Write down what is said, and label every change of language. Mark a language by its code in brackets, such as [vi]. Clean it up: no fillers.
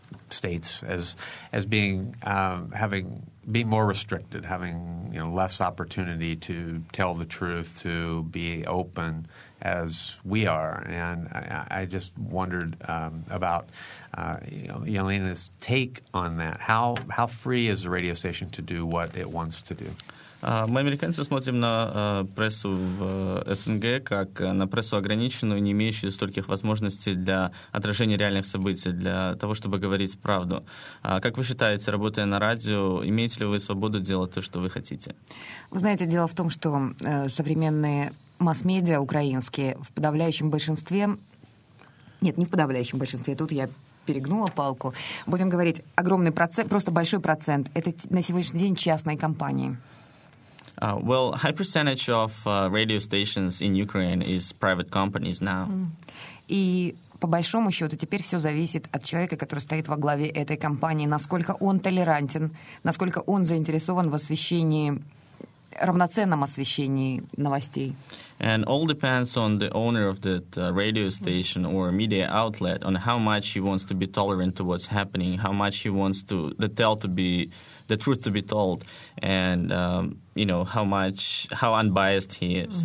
[en] states as being having being more restricted, having less opportunity to tell the truth, to be open as we are. And I just wondered about Yelena's take on that. How free is the radio station to do what it wants to do? [ru] Мы, американцы, смотрим на прессу в СНГ как на прессу ограниченную, не имеющую стольких возможностей для отражения реальных событий, для того, чтобы говорить правду. Как вы считаете, работая на радио, имеете ли вы свободу делать то, что вы хотите? Вы знаете, дело в том, что современные масс-медиа украинские в подавляющем большинстве... Нет, не в подавляющем большинстве, тут я... перегнула палку. Будем говорить, огромный процент, просто большой процент. Это на сегодняшний день частные компании. [en] Well, high percentage of radio stations in Ukraine is private companies now. [ru] И по большому счету теперь все зависит от человека, который стоит во главе этой компании, насколько он толерантен, насколько он заинтересован в освещении, равноценном освещении новостей. [en] And all depends on the owner of that radio station or media outlet on how much he wants to be tolerant to what's happening, how much he wants to the truth to be told, and how unbiased he is.